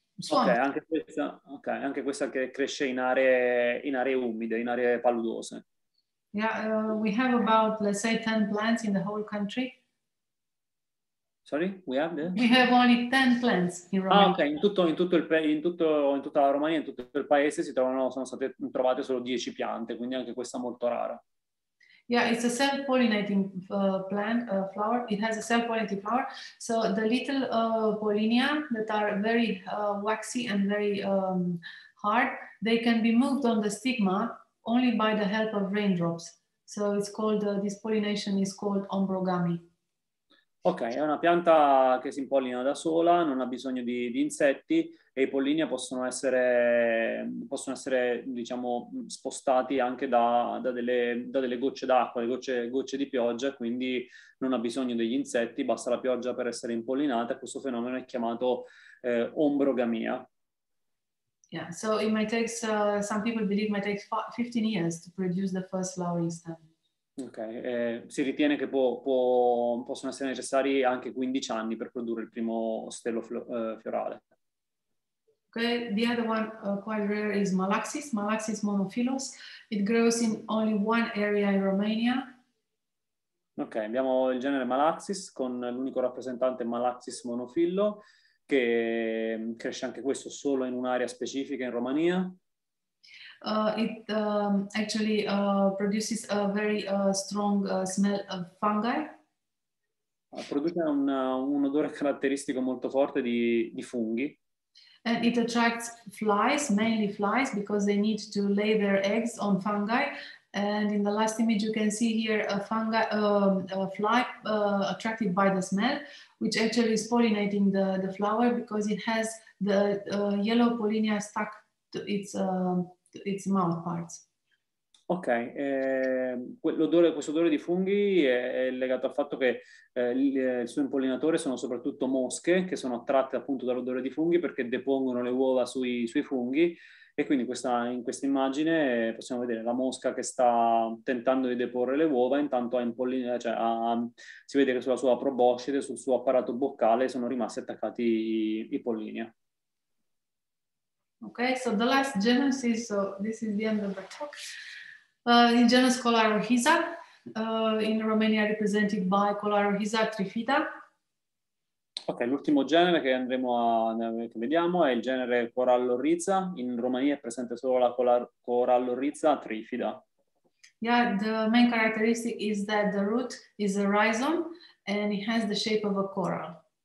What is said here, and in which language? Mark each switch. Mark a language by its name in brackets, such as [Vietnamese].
[Italian] Anche questa che cresce in aree umide, in aree paludose. [English] Yeah, we have about, let's say, 10 plants in the whole country. Sorry, we have this? We have only 10 plants in Romania. [Italian] Ah, ok, in tutta la Romania, in tutto il paese sono state trovate solo 10 piante, quindi anche questa molto rara. [English] Yeah, it's a self-pollinating flower. It has a self-pollinating flower. So the little pollinia that are very waxy and very hard, they can be moved on the stigma only by the help of raindrops. So it's called this pollination is called ombrogamy. [Italian] Ok, è una pianta che si impollina da sola, non ha bisogno di insetti e i pollini possono essere, diciamo, spostati anche da delle gocce d'acqua, gocce di pioggia, quindi non ha bisogno degli insetti, basta la pioggia per essere impollinata. Questo fenomeno è chiamato ombrogamia. [English] Yeah, so it might take some people believe it might take 15 years to produce the first flowering stem. [Italian] Ok, si ritiene che possono essere necessari anche 15 anni per produrre il primo stelo fiorale. [English] Ok, the other one quite rare is Malaxis monophyllos. It grows in only one area in Romania. [Italian] Ok, abbiamo il genere Malaxis con l'unico rappresentante Malaxis monophyllo che cresce anche questo solo in un'area specifica in Romania. [English] It actually produces a very strong smell of fungi. [Italian] Produce un odore caratteristico molto forte di funghi. [English] And it attracts flies, mainly flies, because they need to lay their eggs on fungi. And in the last image you can see here a fly attracted by the smell, which actually is pollinating the flower because it has the yellow pollinia stuck to its mouth parts. [Italian] Ok, questo odore di funghi è legato al fatto che il suo impollinatore sono soprattutto mosche che sono attratte appunto dall'odore di funghi perché depongono le uova sui funghi e quindi in questa immagine possiamo vedere la mosca che sta tentando di deporre le uova intanto si vede che sulla sua proboscide, sul suo apparato boccale sono rimasti attaccati i pollini. [English] Okay, so the last genus is, so this is the end of the talk, the genus Colarohiza, in Romania represented by Colarohiza trifida. [Italian] Okay, l'ultimo genere che vediamo è il genere Corallorhiza, in Romania è presente solo la Corallorhiza trifida. [English] Yeah, the main characteristic is that the root is a rhizome and it has the shape of a coral.